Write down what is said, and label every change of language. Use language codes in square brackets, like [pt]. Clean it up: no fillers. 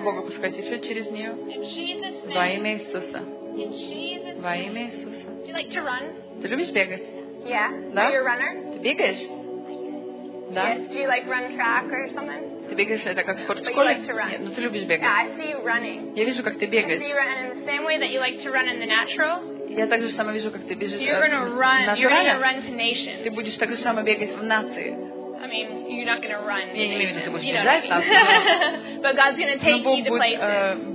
[ru] Бога пускать еще через нее во имя Иисуса. Во имя Иисуса. Ты любишь бегать? [en] Yeah. [ru] Да? [en] Are you a runner? [ru] Ты бегаешь? Да. [en] Yes. Do you like run track or something? [ru] Ты бегаешь это как в спортшколе? [en] But you like to run. [ru] Нет, но ты любишь бегать. [en] Yeah, I see you running. [ru] Я вижу, как ты бегаешь. [en] I see you running in the same way that you like to run in the natural. [ru] Я также же вижу, как ты бежишь. [en] You're gonna run. You're gonna run to nations. [ru] Ты будешь так же самое бегать в нации. [en] I mean, you're not going to run. [ru] Я не имею в виду, ты будешь бежать. [en] But God's going to take you to places.